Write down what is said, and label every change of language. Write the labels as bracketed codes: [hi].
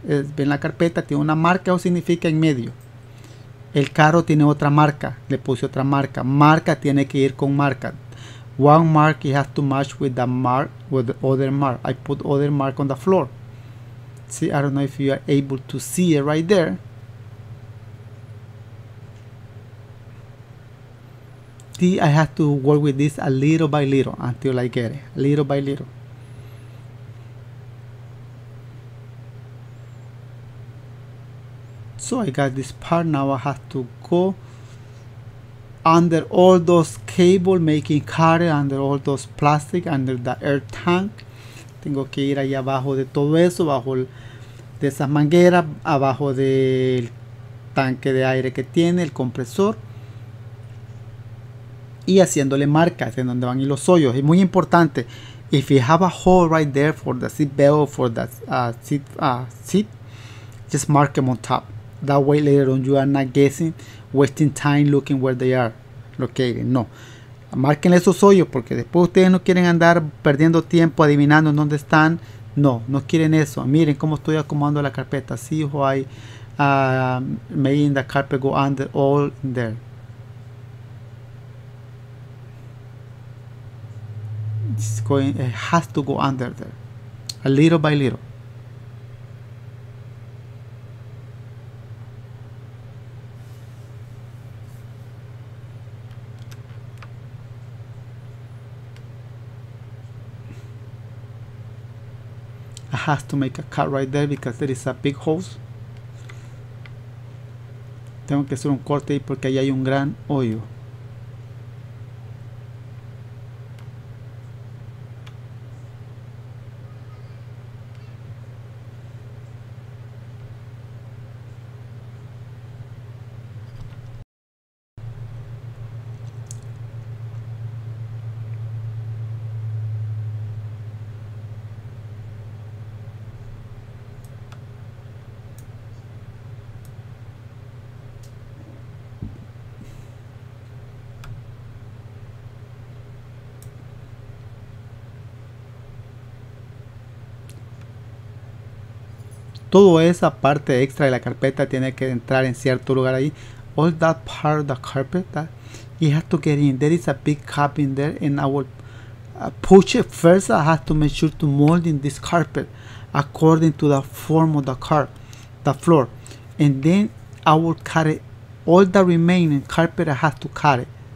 [es] Ven la carpeta, tiene una marca o significa en medio. El carro tiene otra marca, le puse otra marca. Marca tiene que ir con marca. [en] One mark, it has to match with the mark, with the other mark. I put other mark on the floor. See, I don't know if you are able to see it right there. See, I have to work with this a little by little until I get it, little by little. So I got this part, now I have to go under all those cable making cutters, under all those plastic, under the air tank. [es] Tengo que ir ahí abajo de todo eso, bajo de esa manguera, abajo del tanque de aire que tiene, el compresor. Y haciéndole marcas en donde van y los hoyos. Es muy importante, [en] if you have a hole right there for the seat belt, for the seat, just mark them on top. That way later on you are not guessing, wasting time looking where they are located. No. [es] Marquen esos hoyos porque después ustedes no quieren andar perdiendo tiempo adivinando en dónde están. No, no quieren eso. Miren cómo estoy acomodando la carpeta. [en] See how I making the carpet go under all in there. It's going, it has to go under there. A little by little. Has to make a cut right there because there is a big hole. [es] Tengo que hacer un corte ahí porque ahí hay un gran hoyo. Toda esa parte extra de la carpeta tiene que entrar en cierto lugar ahí. [en] All that part of the carpet, that it has to get in. There is a big gap in there, and I will push it first. I have to make sure to mold in this carpet according to the form of the car, the floor, and then I will cut it. All the remaining carpet, I have to cut it.